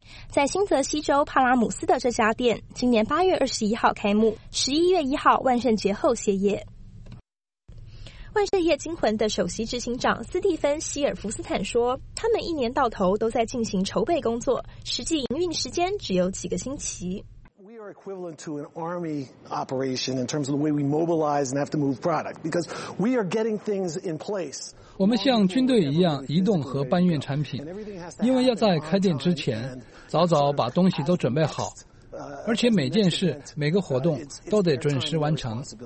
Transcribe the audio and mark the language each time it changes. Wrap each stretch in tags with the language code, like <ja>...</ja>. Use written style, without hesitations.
<zh>在新泽西州帕拉姆斯的这家店，今年8月21号开幕，11月1号万圣节后歇业。万圣夜惊魂的首席执行长斯蒂芬·希尔福斯坦说，他们一年到头都在进行筹备工作，实际营运时间只有几个星期。</zh> <en>Equivalent to an army operation in terms of the way we mobilize and have to move product because we are getting things in place.</en> <zh>我们像军队一样移动和搬运产品，因为要在开店之前早早把东西都准备好，而且每件事每个活动都得准时完成。</zh>